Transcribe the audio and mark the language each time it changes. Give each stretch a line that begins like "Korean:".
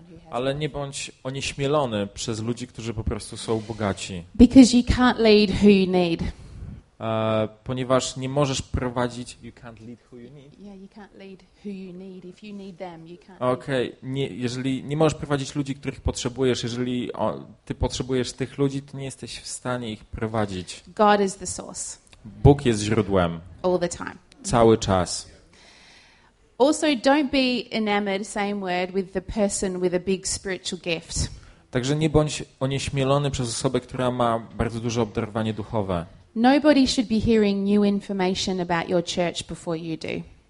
Polish: Ale nie bądź onieśmielony przez ludzi, którzy po prostu są bogaci.
English: Because you can't lead who you need.
Polish: Ponieważ nie możesz prowadzić.
English: You can't lead who you need. Yeah, you can't lead who you need. If you need them, you can't.
Polish: Okay, nie, jeżeli nie możesz prowadzić ludzi, których potrzebujesz, jeżeli ty potrzebujesz tych ludzi, to nie jesteś w stanie ich prowadzić.
English: God is the source.
Polish: Bóg jest źródłem.
English: All the time.
Polish: Cały czas.
English: Also, don't be enamored, same word, with the person with a big spiritual gift.
Polish: Także nie bądź onieśmielony przez osobę, która ma bardzo duże obdarowanie duchowe.
English: Nobody should be hearing new information about your church before you do.